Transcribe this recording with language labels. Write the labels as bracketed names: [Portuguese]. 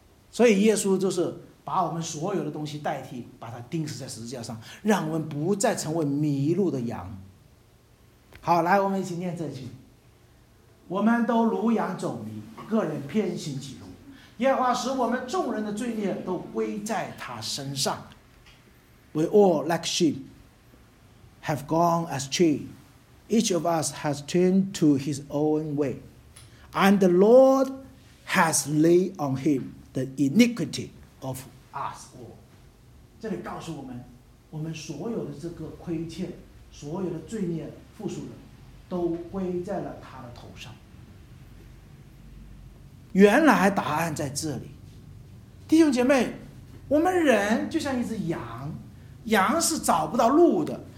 [Chinese] 所以耶稣就是把我们所有的东西代替，把它钉死在十字架上，让我们不再成为迷路的羊。好，来，我们一起念这句：我们都如羊走迷，个人偏行己路，耶和华使我们众人的罪孽都归在他身上。 [English] We all like sheep have gone astray, each of us has turned to his own way, and the Lord has laid on him the iniquity of us all. [Chinese] 这里告诉我们，我们所有的这个亏欠，所有的罪孽负数的，都归在了他的头上。原来答案在这里，弟兄姐妹，我们人就像一只羊，羊是找不到路的。